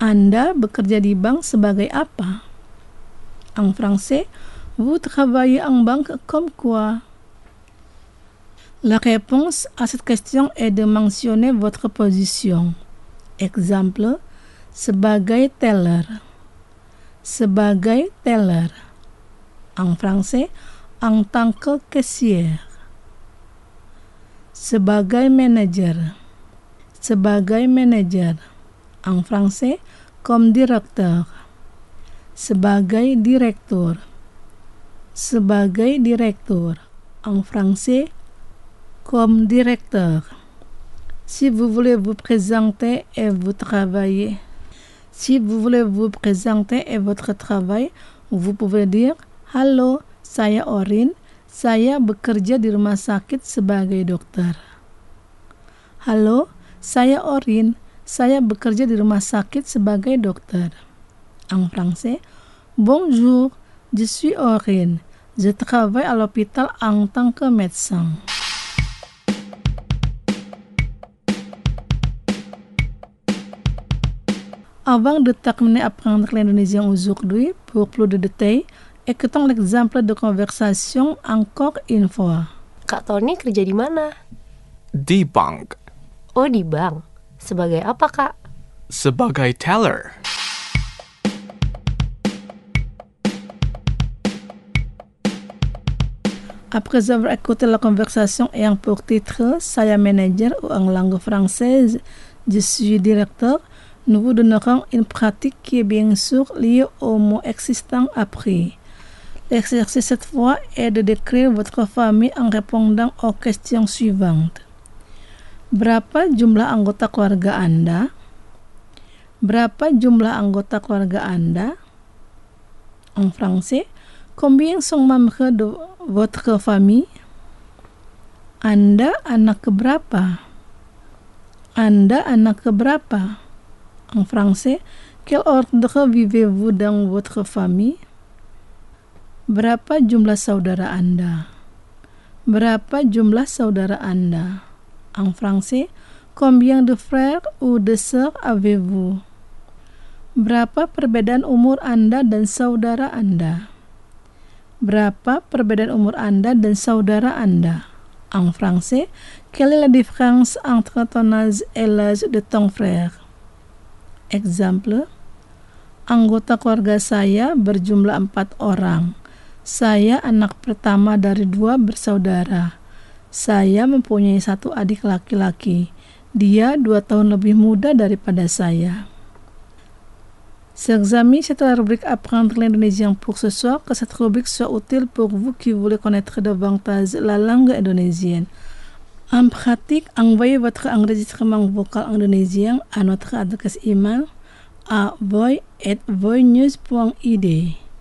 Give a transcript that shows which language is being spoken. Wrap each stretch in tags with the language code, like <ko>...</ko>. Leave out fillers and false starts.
<id>Anda bekerja di bank sebagai apa?</id> <fr>En français, vous travaillez en banque comme quoi? La réponse à cette question est de mentionner votre position.</fr> <id>Exemple, sebagai teller. Sebagai teller.</id> <fr>En français, en tant que caissière.</fr> <id>Sebagai manager. Sebagai manager.</id> <fr>En français, comme directeur.</fr> <id>Sebagai directeur. Sebagai directeur.</id> <fr>En français, comme directeur. Si vous voulez vous présenter et vous travaillez. Si vous voulez vous présenter et votre travail, vous pouvez dire Hello,</fr> <id>saya Orin. Saya bekerja di rumah sakit sebagai dokter. Hello, saya Orin. Saya bekerja di rumah sakit sebagai dokter.</id> <fr>En français, bonjour, je suis Orin. Je travaille à l'hôpital en tant que médecin. Avant de terminer apprendre l'indonésien aujourd'hui, pour plus de détails, écoutons l'exemple de conversation encore une fois.</fr> <id>Kak Tony kerja di mana? Di bank. Oh, di bank. Sebagai apa, Kak? Sebagai teller.</id> <fr>Après avoir écouté la conversation ayant pour titre « Saya manager » ou en langue française « Je suis directeur », nous vous donnerons une pratique qui est bien sûr liée au mot existant appris. L'exercice cette fois est de décrire votre famille en répondant aux questions suivantes.</fr> <id>Berapa jumlah anggota keluarga Anda? Berapa jumlah anggota keluarga Anda?</id> <fr>En français, combien sont membres de votre famille?</fr> <id>Anda anak keberapa? Anda anak keberapa?</id> <fr>En français, quel ordre vivez-vous dans votre famille?</fr> <id>Berapa jumlah saudara Anda? Berapa jumlah saudara Anda?</id> <fr>En français, combien de frères ou de sœurs avez-vous?</fr> <id>Berapa perbedaan umur Anda dan saudara Anda? Berapa perbedaan umur Anda dan saudara Anda?</id> <fr>En français, quelle est la différence entre ton âge et l'âge de ton frère?</fr> <id>Exemple, anggota keluarga saya berjumlah 4 orang. Saya anak pertama dari 2 bersaudara. Saya mempunyai 1 adik laki-laki. Dia 2 tahun lebih muda daripada saya.</id> <fr>S'examiner cette rubrique apprendre l'indonésien pour ce soir, que cette rubrique soit utile pour vous qui voulez connaître davantage la langue indonésienne. En pratique, envoyez votre enregistrement vocal indonésien à notre adresse email avoy@voynews.id.</fr>